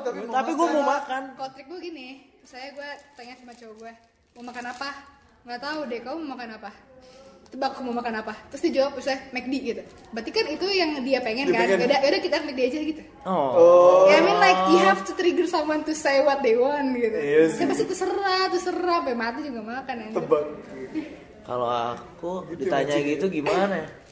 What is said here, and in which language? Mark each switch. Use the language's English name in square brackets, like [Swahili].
[Indonesian] Tapi gue mau makan. Kotrik gue gini, saya gue tanya sama cowok gue, mau makan apa? Gak tahu deh, kamu mau makan apa? Tebak aku mau makan apa? Terus dijawab usah McD gitu. Berarti kan itu yang dia pengen kan? Yaudah kita McD aja gitu. Oh. [English] Yeah, I mean like you have to trigger someone to say what they want [Indonesian] gitu. [English] Yes. [Indonesian] Ya pasti terserah, sampai mati juga makan ya. Tebak. Kalau aku ditanya gitu gimana?